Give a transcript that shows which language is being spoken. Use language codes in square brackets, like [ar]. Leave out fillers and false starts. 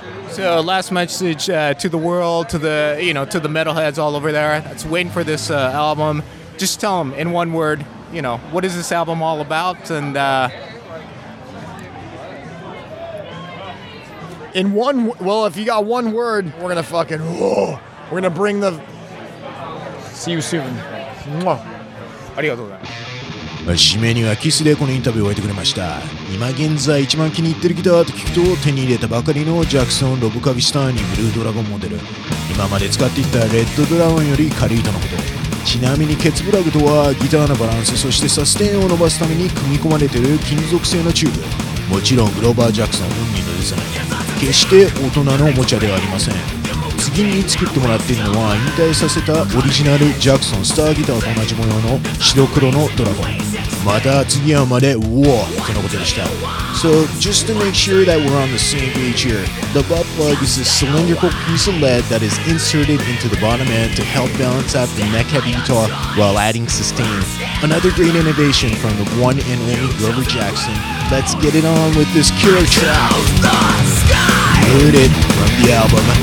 [en] So last message to the world, to the metalheads all over there that's waiting for this album. Just tell them in one word, you know, what is this album all about? And if you got one word, we're going to fucking, we're going to bring the... See you soon. [ja] ありがとうございます。締めにはキスでこのインタビューを終えてくれました。今現在一番気に入ってるギターと聞くと手に入れたばかりのジャクソン・ロブカビスターニブルードラゴンモデル。今まで使っていたレッドドラゴンより軽いとのこと。ちなみにケツブラグとはギターのバランスそしてサステンを伸ばすために組み込まれている金属製のチューブ。もちろんグローバー・ジャクソンのみのデザイン。決して大人のおもちゃではありません。次に作ってもらっているのは引退させたオリジナルジャクソンスターギターと同じ模様の白黒のドラゴン。また次はまで、ウォーとのことでした。 [en] So, just to make sure that we're on the same page here, the butt plug is a cylindrical piece of lead that is inserted into the bottom end to help balance out the neck heavy guitar while adding sustain. Another great innovation from the one and only Grover Jackson. Let's get it on with this cure track. Rooted from the album.